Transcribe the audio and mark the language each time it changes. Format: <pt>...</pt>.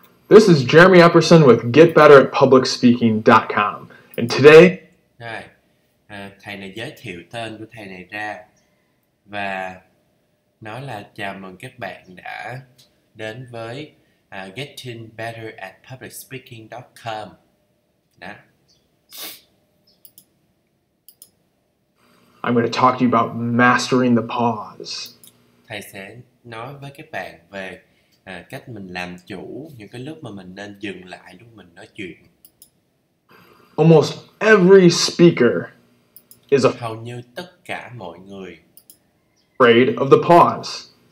<en>This is Jeremy Epperson with getbetteratpublicspeaking.com. And today,</en> <vi>rồi, thầy này giới thiệu tên của thầy này ra và nói là chào mừng các bạn đã đến với getbetteratpublicspeaking.com. Đó.</vi> <en>I'm going to talk to you about mastering the pause.</en> <vi>Thầy sẽ nói với các bạn về cách mình làm chủ những cái lúc mà mình nên dừng lại lúc mình nói chuyện.</vi> <en>Almost every speaker is a</en> <vi>hầu như tất cả mọi người</vi> <en>afraid of the pause.</en>